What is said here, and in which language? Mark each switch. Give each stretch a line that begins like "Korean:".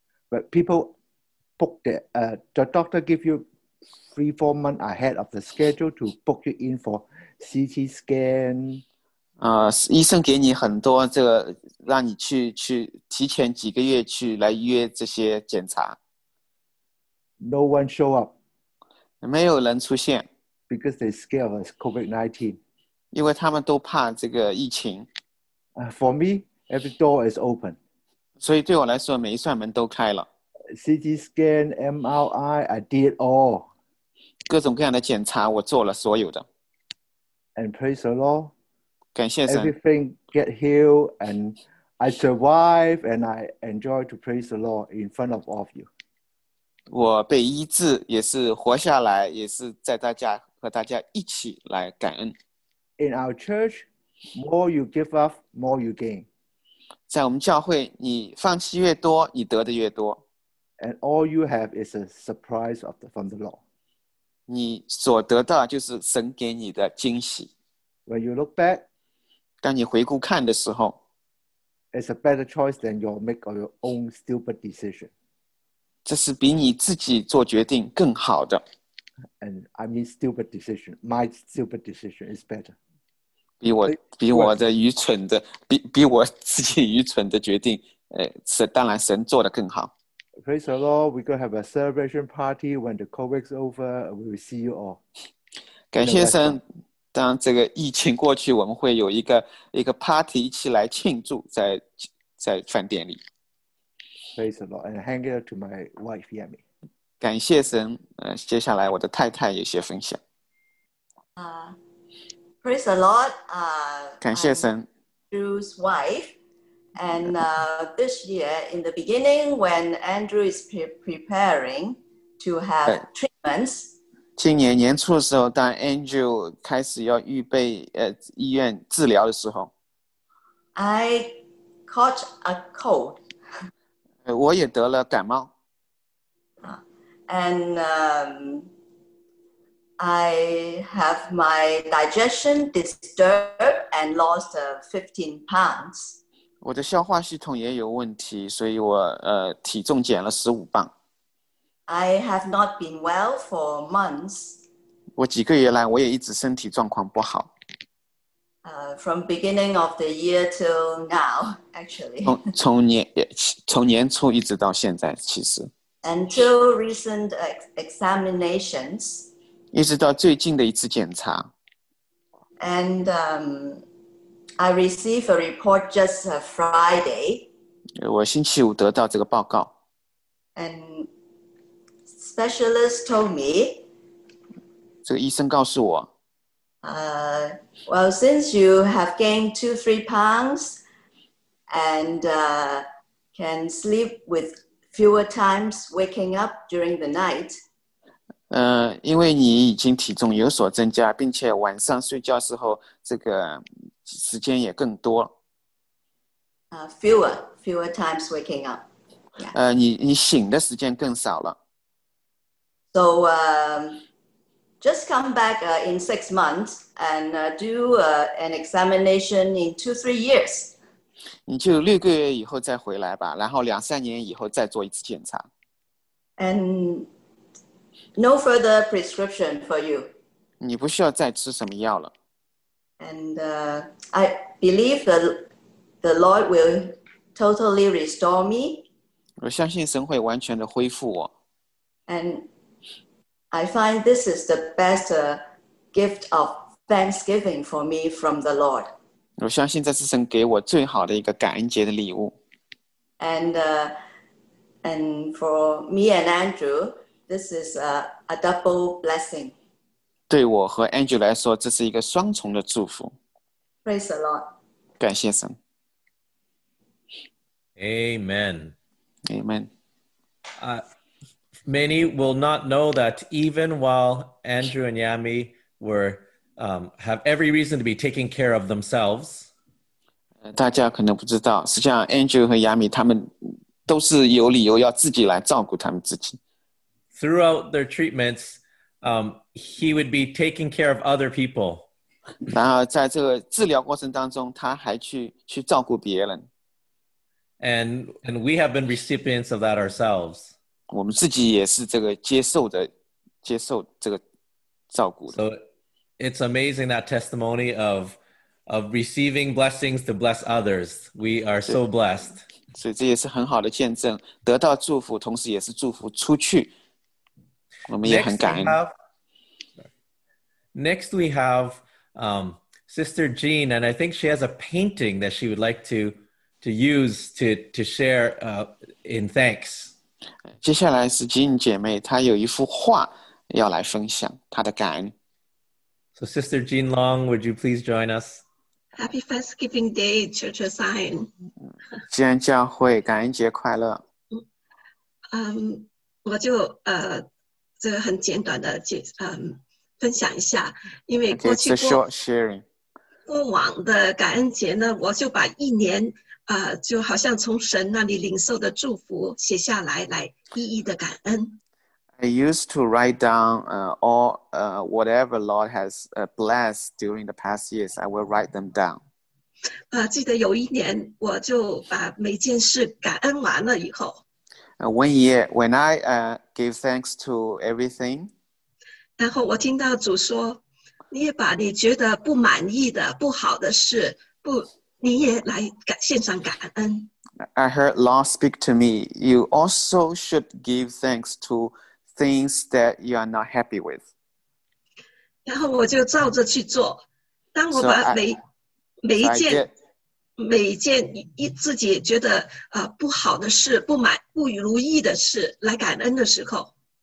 English: But people book the doctor give you 3-4 months ahead of the schedule to book you in for. CT scan.
Chinese: 医生给你很多这个让你去提前几个月去来预约这些检查。
English: No one show up.
Chinese: 没有人出现。
English: Because they scared of COVID-19.
Chinese: 因为他们都怕这个疫情。
English: For me, every door is open.
Chinese: 所以对我来说每一扇门都开了。
English: CT scan, MRI, I did all.
Chinese: 各种各样的检查我做了所有的。
English: And praise the Lord.
Chinese: 感谢神。
English: Everything get healed and I survive and I enjoy to praise the Lord in front of all of you.
Chinese: 我被医治也是活下来也是在大家和大家一起来感恩。
English: In our church, more you give up, more you gain.
Chinese: 在我们教会你放弃越多你得的越多。
English: And all you have is a surprise from the Lord.
Chinese: 你所得到就是神给你的惊喜。
English: When you look back,
Chinese: 当你回顾看的时候
English: it's a better choice than you make of your own stupid decision.
Chinese: 这是比你自己做决定更好的。
English: And I mean stupid decision. My stupid decision is better.
Chinese: 比我的愚蠢的 比我自己愚蠢的决定是当然神做的更好。
English: Praise the Lord, we're going to have a celebration party when the COVID's over, and we will see you all.
Chinese: 感谢神，当这个疫情过去，我们会有一个 party 一起来庆祝在饭店里。
English: Praise the Lord, and hang it to my wife, Yemi.
Chinese: 感谢神，接下来我的太太有些分享。
English: Praise the Lord,
Chinese: 感谢神。
English: Drew's wife. And this year, in the beginning, when Andrew is preparing to have treatments,
Chinese: 今年年初的时候，当 Andrew 开始要预备医院治疗的时候
English: ，I caught a cold.
Chinese: 我也得了感冒。
English: And I have my digestion disturbed and lost 15 pounds.
Chinese: 我的消化系统也有问题，所以我体重减了15磅。
English: I have not been well for months.
Chinese: 我几个月来，我也一直身体状况不好。
English: From beginning of the year till now, actually.
Chinese: 从年初一直到现在，其实。
English: Until recent examinations.
Chinese: 一直到最近的一次检查。
English: And I received a report just Friday.
Chinese: 我星期五得到这个报告。
English: And specialist told me.
Chinese: 这个医生告诉我。
English: Well, since you have gained 2-3 pounds and can sleep with fewer times waking up during the night.
Chinese: 因为你已经体重有所增加，并且晚上睡觉时候这个时间也更多。
English: Fewer times waking up.
Chinese: Yeah. 你醒的时间更少了。
English: So, just come back in 6 months and do an examination in 2-3 years.
Chinese: 你就6个月以后再回来吧，然后2-3年以后再做一次检查。
English: And no further prescription for you.
Chinese: 你不需要再吃什么药了。
English: And I believe that the Lord will totally restore me.
Chinese: 我相信神会完全的恢复我。
English: And I find this is the best gift of thanksgiving for me from the Lord.
Chinese: 我相信这是神给我最好的一个感恩节的礼物。
English: And for me and Andrew, this is a double blessing.
Chinese: 对我和 Andrew 来说，这是一个双重的祝福。
English: Praise the Lord.
Chinese: 感谢神。
English: Amen. Amen. Many will not know that even while Andrew and Yami were have every reason to be taking care of themselves.
Chinese: 大家可能不知道，实际上 Andrew 和 Yami 他们都是有理由要自己来照顾他们自己。
English: Throughout their treatments, he would be taking care of other people.
Chinese: 然后在这个治疗过程当中，他还去照顾别人。
English: And we have been recipients of that ourselves.
Chinese: 我们自己也是这个接受这个照顾的。
English: So it's amazing that testimony of receiving blessings to bless others. We are so blessed.
Chinese: 所以这也是很好的见证，得到祝福，同时也是祝福出去。我们也很感恩。
English: Next we have Sister Jean, and I think she has a painting that she would like to use to share in thanks.
Chinese: 接下来是 Jean 姐妹，她有一幅画要来分享她的感恩。
English: So Sister Jean Long, would you please join us? Happy Thanksgiving Day, Church of Zion.
Chinese: 基安教会感恩节快乐。我就这个很简短的分享一下，因为过去
English: Okay, it's a short sharing.
Chinese: 过往的感恩节呢，我就把一年就好像从神那里领受的祝福写下来，来一一的感恩。
English: I used to write down all whatever Lord has blessed during the past years. I will write them down.
Chinese: 记得有一年，我就把每件事感恩完了以后。
English: When I gave thanks to everything.
Chinese: 然后我听到主说，你也把你觉得不满意的、不好的事不。你也来献上感恩。
English: I heard Lord speak to me. You also should give thanks to things that you are not happy with.
Chinese: 然后我就照着去做。当我把每一件自己觉得不好的事、不如意的事来感恩的时候。